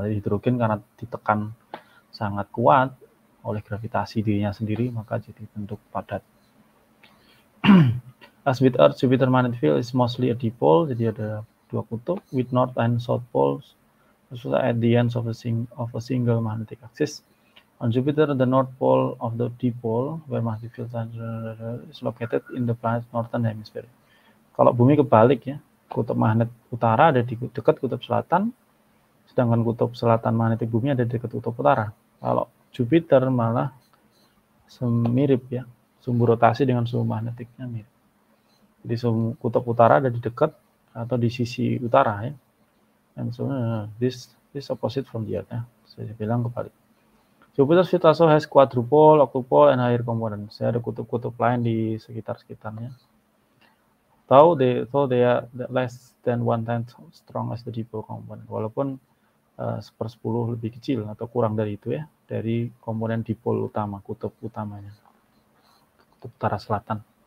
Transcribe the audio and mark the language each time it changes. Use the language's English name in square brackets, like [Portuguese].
[Indonesian] Jadi hidrogen karena ditekan sangat kuat oleh gravitasi dirinya sendiri, maka jadi bentuk padat. [English] As with Earth, Jupiter magnetic field is mostly a dipole, [Indonesian] jadi ada dua kutub, [English] with north and south poles, at the end of a single magnetic axis. On Jupiter, the north pole of the dipole, where magnetic field is located in the planet's northern hemisphere. [Indonesian] Kalau bumi kebalik ya, kutub magnet utara ada di dekat kutub selatan, sedangkan kutub selatan magnetik bumi ada di dekat kutub utara. Kalau Jupiter malah semirip ya, sumbu rotasi dengan sumbu magnetiknya mirip. Jadi sumbu kutub utara ada di dekat atau di sisi utara ya. [English] And so this opposite from the Earth ya. [Indonesian] Saya bilang kebalik. [English] Jupiter's field also has quadrupole, octupole, and higher components. [Indonesian] Saya ada kutub-kutub lain di sekitar-sekitarnya. [English] Though they are less than one tenth strong as the dipole component. [Indonesian] Walaupun 1/10 lebih kecil atau kurang dari itu ya, dari komponen dipole utama, kutub utamanya, kutub utara selatan.